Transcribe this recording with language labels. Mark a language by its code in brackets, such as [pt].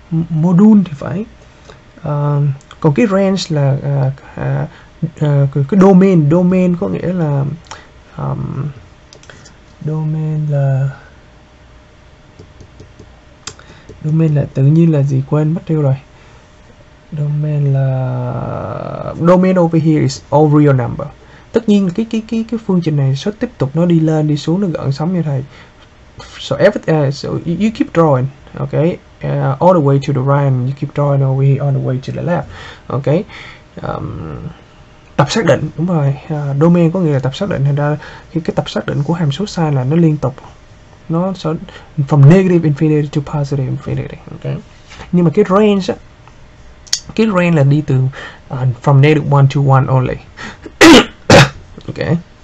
[vi] Module thì phải. Còn cái range là cái domain có nghĩa là domain là tự nhiên là gì, quên mất tiêu rồi. [en] Domain over here is all real number. [vi] Tất nhiên cái phương trình này sẽ tiếp tục nó đi lên đi xuống, nó gợn sóng như thầy. [en] So you keep drawing, okay, all the way to the right, and you keep drawing over here all the way to the left, okay. [vi] Tập xác định, đúng rồi. Domain có nghĩa là tập xác định. Thành ra khi cái tập xác định của hàm số sine là nó liên tục, nó sẽ [en] from negative infinity to positive infinity. [vi] Okay. Nhưng mà cái range á, cái range là đi từ [en] from negative 1 to 1 only. [vi] Okay.